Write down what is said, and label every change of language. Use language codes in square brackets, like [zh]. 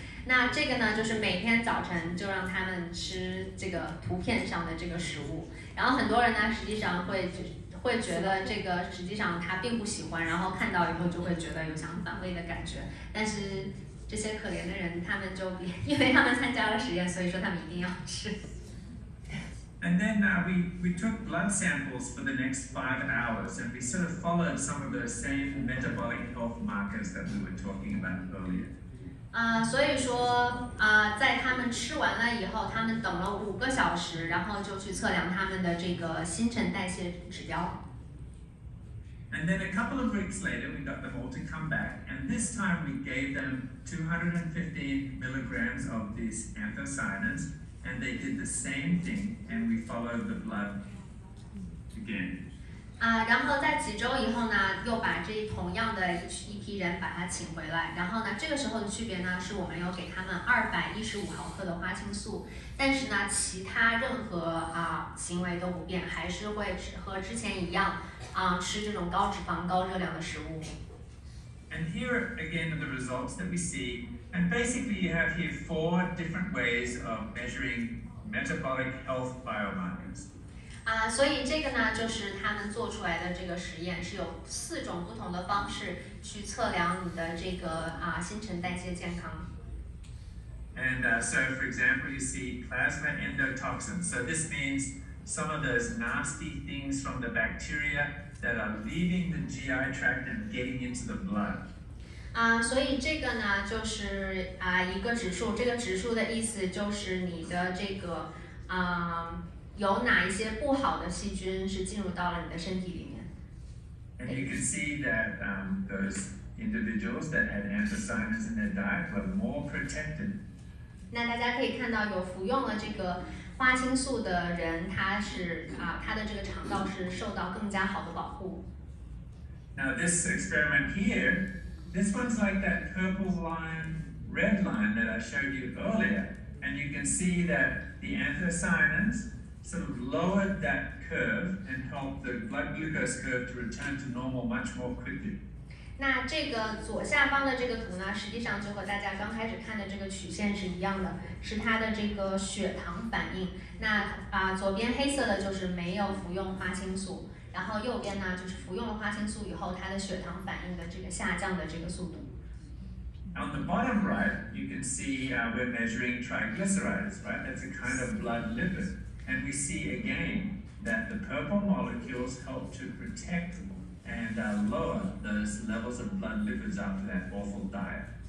[zh] 那这个呢，就是每天早晨就让他们吃这个图片上的这个食物，然后很多人呢，实际上会觉得这个实际上他并不喜欢，然后看到以后就会觉得有想反胃的感觉，但是这些可怜的人，他们就因为他们参加了实验，所以说他们一定要吃。 [en] And then we took blood samples for the next 5 hours, and we sort of followed some of those same metabolic health markers that we were talking about earlier. [zh] 所以说在他们吃完了以后，他们等了5个小时，然后就去测量他们的这个新陈代谢指标。 [en] And then a couple of weeks later, we got them all to come back, and this time we gave them 215 milligrams of these anthocyanins. And they did the same thing, and we followed the blood again. [zh] 然后在几周以后呢，又把这同样的一批人把他请回来。然后呢，这个时候的区别呢，是我们有给他们215毫克的花青素，但是呢，其他任何行为都不变，还是会和之前一样吃这种高脂肪、高热量的食物。 [en] And here again are the results that we see. And basically, you have here 4 different ways of measuring metabolic health biomarkers. [zh] 所以这个呢，就是他们做出来的这个实验，是有4种不同的方式去测量你的这个新陈代谢健康。 [en] And so, for example, you see plasma endotoxins. So this means some of those nasty things from the bacteria that are leaving the GI tract and getting into the blood. [zh] 所以这个呢，就是一个指数。这个指数的意思就是你的这个有哪一些不好的细菌是进入到了你的身体里面。 [en] And you can see that those individuals that had anthocyanins in their diet were more protected. [zh] 那大家可以看到，有服用了这个花青素的人，他是他的这个肠道是受到更加好的保护。 [en] Now this experiment here. This one's like that purple line, red line that I showed you earlier. And you can see that the anthocyanins sort of lowered that curve and helped the blood glucose curve to return to normal much more quickly. [zh] 那这个左下方的这个图呢，实际上就和大家刚开始看的这个曲线是一样的，是它的这个血糖反应。那左边黑色的就是没有服用花青素。然后右边呢，就是服用了花青素以后，它的血糖反应的这个下降的这个速度。 [en] On the bottom right, you can see we're measuring triglycerides, right? That's a kind of blood lipid. And we see again that the purple molecules help to protect and lower those levels of blood lipids after that awful diet.